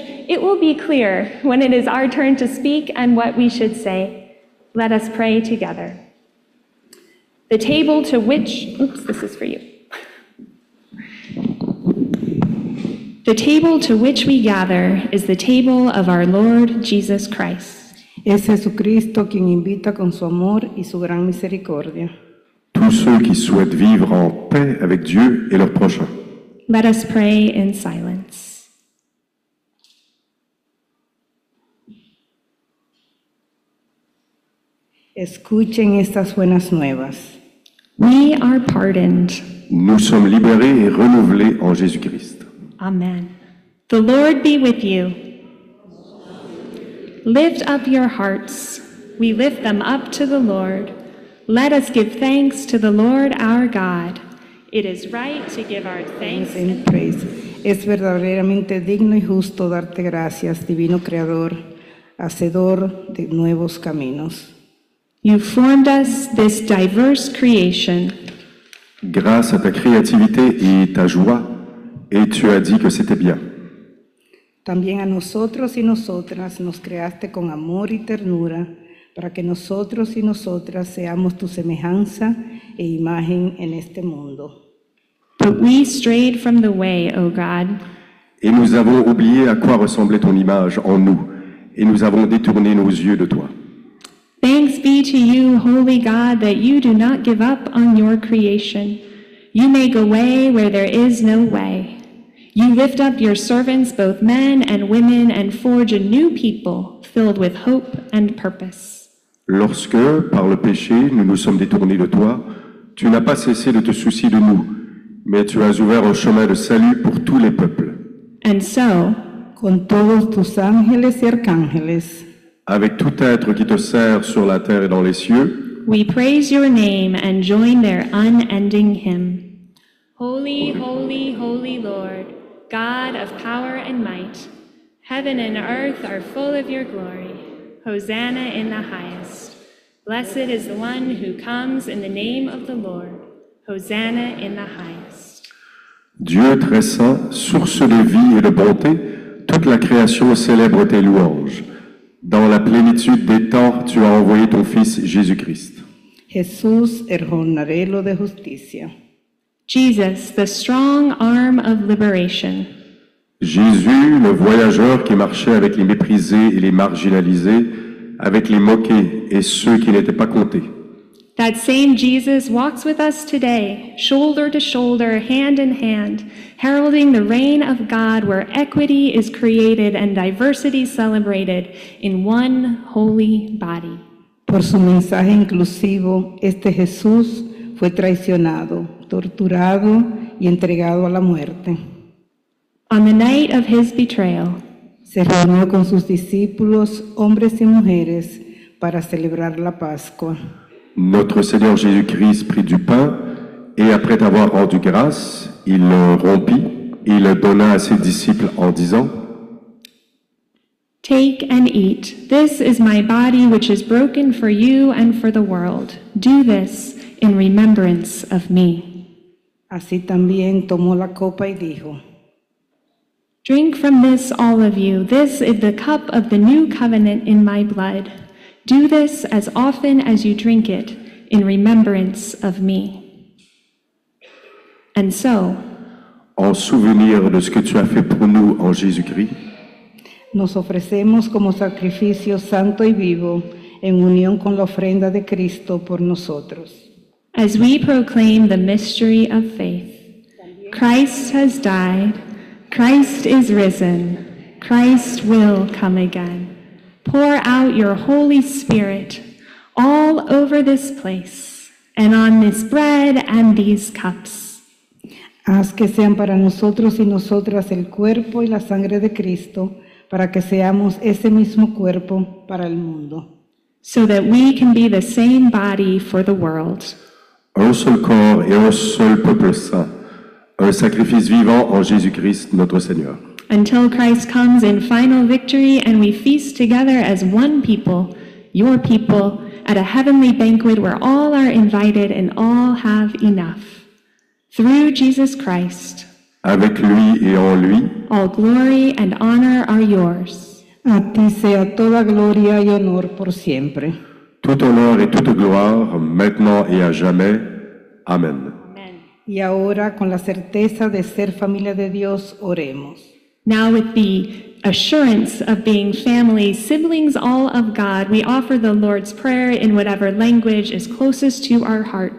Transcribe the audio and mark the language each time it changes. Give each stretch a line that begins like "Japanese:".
English: It will be clear when it is our turn to speak and what we should say. Let us pray together. The table to which, this is for you. The table to which we gather is the table of our Lord Jesus Christ.
Spanish: Es Jesucristo quien invita con su amor y su gran misericordia.
French: Tous ceux qui souhaitent vivre en paix avec Dieu et leur prochain.
English: Let us pray in silence.
Spanish: Escuchen estas buenas nuevas.
English: We are pardoned.
French: Nous sommes libérés et renouvelés en Jésus-Christ.
English: Amen. The Lord be with you. Lift up your hearts. We lift them up to the Lord. Let us give thanks to the Lord our God. It is right to give our thanks and praise.
Spanish: Es verdaderamente digno y justo darte gracias, divino creador, hacedor de nuevos caminos.
English: You formed us, this diverse creation.
French: Grâce à ta créativité et ta joie, et tu as dit que c'était bien.
Spanish: También a nosotros y nosotras nos creaste con amor y ternura para que nosotros y nosotras seamos tu semejanza e imagen en este mundo.
English: But we strayed from the way, O God.
French: Et nous avons oublié à quoi ressemblait ton image en nous, et nous avons détourné nos yeux de toi.
English: Thanks be to you, Holy God, that you do not give up on your creation. You make a way where there is no way. You lift up your servants, both men and women, and forge a new people filled with hope and purpose.
French: Lorsque, par le péché, nous nous sommes détournés de toi, tu n'as pas cessé de te soucier de nous, mais tu as ouvert un chemin de salut pour tous les peuples.
English: And so,
Spanish: con todos tus ángeles y arcángeles,
French: avec tout être qui te sert sur la terre et dans les cieux,
English: we praise your name and join their unending hymn. Holy, holy, holy Lord, God of power and might, heaven and earth are full of your glory. Hosanna in the highest. Blessed is the one who comes in the name of the Lord. Hosanna in the highest.
French: Dieu très saint, source de vie et de bonté, toute la création célèbre tes louanges. Dans la plénitude des temps, tu as envoyé ton Fils Jésus-Christ.
Spanish: Jesús, el jornalero de justicia.
English: Jesus, the strong arm of liberation.
French: Jésus, le voyageur qui marchait avec les méprisés et les marginalisés, avec les moqués et ceux qui n'étaient pas comptés.
English: That same Jesus walks with us today, shoulder to shoulder, hand in hand, heralding the reign of God where equity is created and diversity celebrated in one holy body.
Spanish: Por su mensaje inclusivo, este Jesús fue traicionado, torturado y entregado a la muerte.
English: On the night of his betrayal,
Spanish: se reunió con sus discípulos, hombres y mujeres, para celebrar la Pascua.
French: Notre Seigneur Jésus-Christ prit du pain et après avoir rendu grâce, il le rompit et le donna à ses disciples en disant:
English: Take and eat. This is my body which is broken for you and for the world. Do this in remembrance of me.
Spanish: Así también tomó la copa y dijo:
English: Drink from this, all of you. This is the cup of the new covenant in my blood. Do this as often as you drink it in remembrance of me. And so,
French: en souvenir de ce que tu as fait pour nous en Jésus-Christ,
Spanish: nos ofrecemos como sacrificio santo y vivo en unión con la ofrenda de Cristo por nosotros.
English: As we proclaim the mystery of faith, Christ has died, Christ is risen, Christ will come again. Pour out your Holy Spirit all over this place and on this bread and these cups.
Spanish: Haz que sean para nosotros y nosotras el cuerpo y la sangre de Cristo, para que seamos ese mismo cuerpo para el mundo.
English: So that we can be the same body for the world.
French: Un seul corps et un seul peuple saint, un sacrifice vivant en Jésus-Christ notre Seigneur.
English: Until Christ comes in final victory and we feast together as one people, your people, at a heavenly banquet where all are invited and all have enough. Through Jesus Christ,
French: avec lui et en lui,
English: all glory and honor are yours.
Spanish: A ti sea toda gloria y honor por siempre.
French: Tout honneur et toute gloire, maintenant et à jamais.
English: Amen. Amen.
Spanish: Y ahora, con la certeza de ser familia de Dios, oremos.
English: Now with the assurance of being family, siblings all of God, we offer the Lord's Prayer in whatever language is closest to our heart.